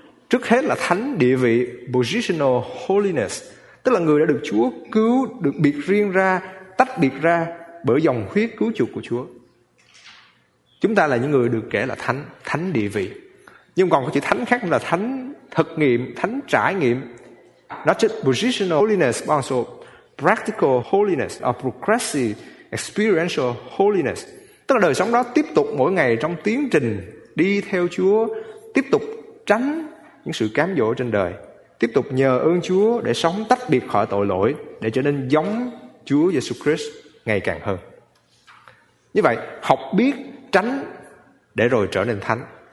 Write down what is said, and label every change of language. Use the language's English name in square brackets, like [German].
[Vietnamese] Trước hết là thánh địa vị, [English] positional holiness, [Vietnamese] tức là người đã được Chúa cứu, được biệt riêng ra, tách biệt ra bởi dòng huyết cứu chuộc của Chúa. Chúng ta là những người được kể là thánh, thánh địa vị. Nhưng còn có chữ thánh khác là thánh thực nghiệm, thánh trải nghiệm. [English] Not just positional holiness, but also practical holiness, or progressive experiential holiness. [Vietnamese] Tức là đời sống đó tiếp tục mỗi ngày trong tiến trình đi theo Chúa, tiếp tục tránh những sự cám dỗ trên đời, tiếp tục nhờ ơn Chúa để sống tách biệt khỏi tội lỗi, để trở nên giống Chúa Jesus Christ ngày càng hơn. Như vậy, học biết tránh để rồi trở nên thánh.